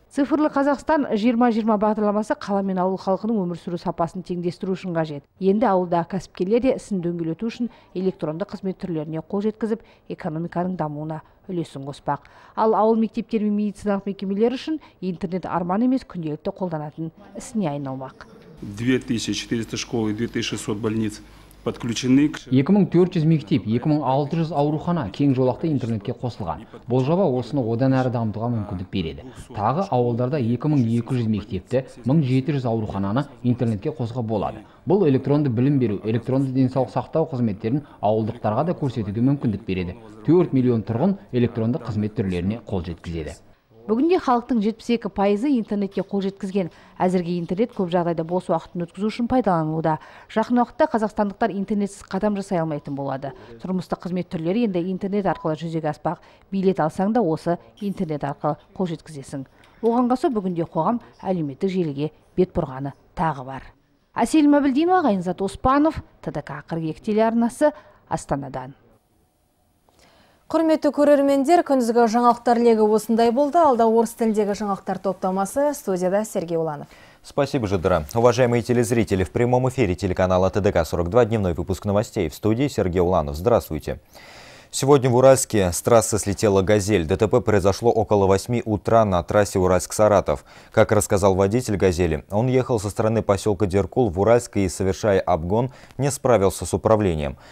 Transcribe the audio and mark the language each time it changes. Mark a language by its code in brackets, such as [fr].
[kk] Цифрлы Қазақстан 2020 бағдарламасы қала мен ауыл халқының өмір сүру сапасын теңдестіру үшін қажет. Енді ауылдағы кәсіпкерлер де ісін дөңгелету үшін электронды қызмет түрлеріне қол жеткізіп, экономиканың дамуына үлесін қоспақ. Ал ауыл мектептері мен медициналық мекемелер үшін интернет арман емес, күнделікті қолданатын ісіне айналмақ. [ru] 2400 школ и 2600 больниц подключены. [kk] 2400 мектеп, 2600 аурухана кең жолақты интернетке қосылған. Бұл жоба осыны одан әрі дамытуға мүмкіндік береді. Тағы ауылдарда 2200 мектепті, 1700 аурухананы интернетке қосуға болады. Бұл электронды білім беру, электронды денсаулық сақтау қызметтерін ауылдықтарға да көрсетуге мүмкіндік береді. 4 миллион тұрғын электронды қызмет түрлеріне қол жеткізеді. Бүгінде халықтың 72% интернетке қол жеткізген. Әзірге интернет көп жағдайда бос уақытын өткізу үшін пайдаланылуда. Жақын уақытта қазақстандықтар интернетсіз қадам жасай алмайтын болады. Тұрмыстық қызмет түрлері енді интернет арқылы жүзеге аспақ. Билет алсаң да осы интернет арқылы қол жеткізесің. Оған қоса бүгінде қоғам әлеуметтік желіге бет бұрғаны тағы бар. Әсел Мәбілдинова, Ғайынзат Оспанов, ТДК 42 телеарнасы, Астанадан. Құрметті көрермендер, күндізгі жаңалықтар легі осындай болды. Алда орыс тіліндегі жаңалықтар топтамасы, студияда Сергей Уланов. [ru] Спасибо, Жадыра. Уважаемые телезрители, в прямом эфире телеканала ТДК 42, дневной выпуск новостей. В студии Сергей Уланов. Здравствуйте. Сегодня в Уральске с трассы слетела «Газель». ДТП произошло около 8 утра на трассе Уральск-Саратов. Как рассказал водитель «Газели», он ехал со стороны поселка Деркул в Уральск и, совершая обгон, не справился с управлением.